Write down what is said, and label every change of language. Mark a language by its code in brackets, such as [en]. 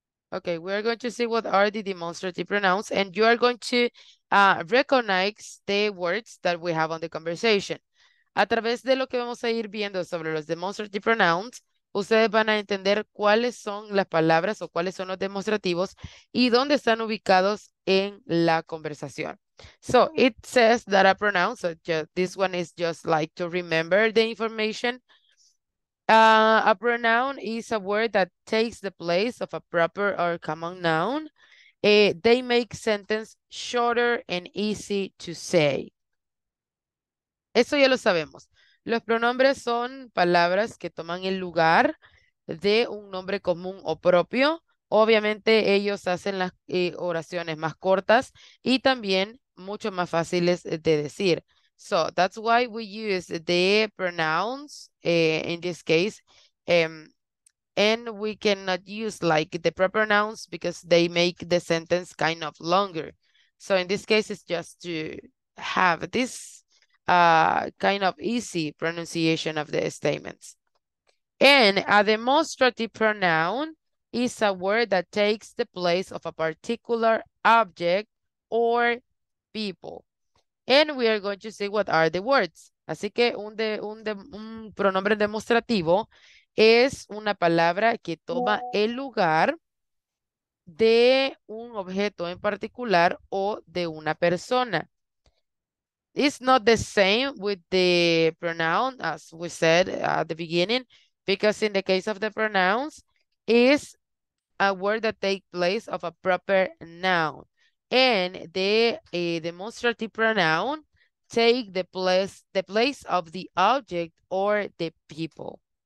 [en] Okay, we're going to see what are the demonstrative pronouns, and you are going to recognize the words that we have on the conversation. [es] A través de lo que vamos a ir viendo sobre los demonstrative pronouns, ustedes van a entender cuáles son las palabras o cuáles son los demostrativos y dónde están ubicados en la conversación. [en] So, it says that a pronoun, so just, this one is just like to remember the information. A pronoun is a word that takes the place of a proper or common noun. They make sentence shorter and easy to say. [es] Eso ya lo sabemos. Los pronombres son palabras que toman el lugar de un nombre común o propio. Obviamente, ellos hacen las oraciones más cortas y también mucho más fáciles de decir. [en] So that's why we use the pronouns in this case. And we cannot use like the proper nouns because they make the sentence kind of longer. So in this case, it's just to have this kind of easy pronunciation of the statements. And a demonstrative pronoun is a word that takes the place of a particular object or people. And we are going to see what are the words. [es] Así que un pronombre demostrativo es una palabra que toma el lugar de un objeto en particular o de una persona. [en] It's not the same with the pronoun, as we said at the beginning, because in the case of the pronouns, it's a word that takes place of a proper noun. And the demonstrative pronoun take the place of the object or the people.